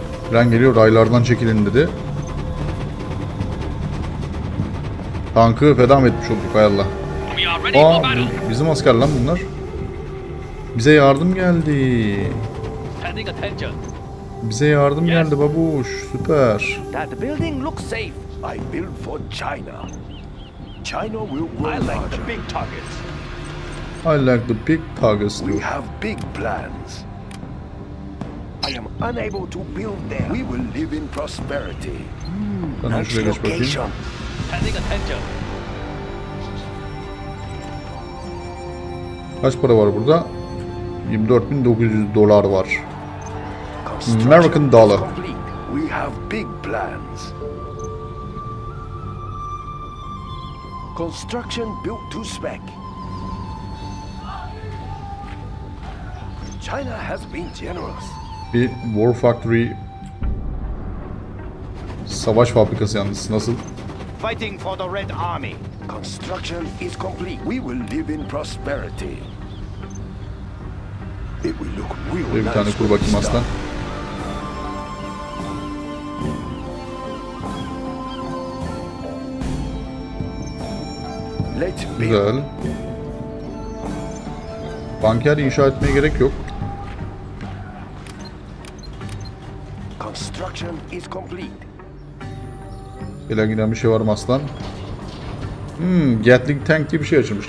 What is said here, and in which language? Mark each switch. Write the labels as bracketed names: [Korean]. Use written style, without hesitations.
[Turkish] Tren geliyor. Raylardan çekilin dedi. Tankı feda mı etmiş olduk? Hay Allah. Aa, bizim asker lan bunlar. Bize yardım geldi. Bize yardım geldi babuş. Süper. [English] That building looks safe. I build for China. China will grow larger. I like the big targets. I like the big targets too. We have big plans. I am unable to build there. We will live in prosperity. Hmm. Next location. Paying attention. [Turkish] Kaç para var burada? $24,900 var. [English] American dollar. We have big plans. Construction built to spec. China has been generous. [Turkish] Bir war factory. Savaş fabrikası yalnız nasıl? [English] Fighting for the Red Army. Construction is complete. We will live in prosperity. It will look real nice. [Turkish] Bir tane kur bakayım aslan. Güzel. Banker inşa etmeye gerek yok. [English] Construction is complete. [Turkish] Gelen giden bir şey var mı aslan? Hmm, Gatling Tank diye bir şey açılmış.